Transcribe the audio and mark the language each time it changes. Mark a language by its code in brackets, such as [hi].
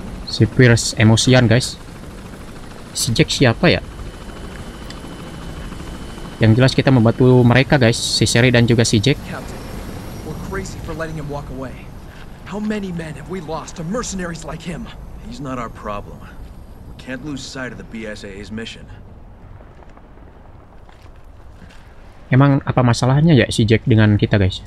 [id] Si Pierce emosian, guys. Si Jack siapa ya? Yang jelas kita membantu mereka, guys. Si Sherry dan juga si Jack. [en] Captain, we're crazy for letting him walk away. How many men have we lost to mercenaries like him? He's not our problem. We can't lose sight of the BSAA's mission. [id] Emang apa masalahnya ya si Jack dengan kita, guys?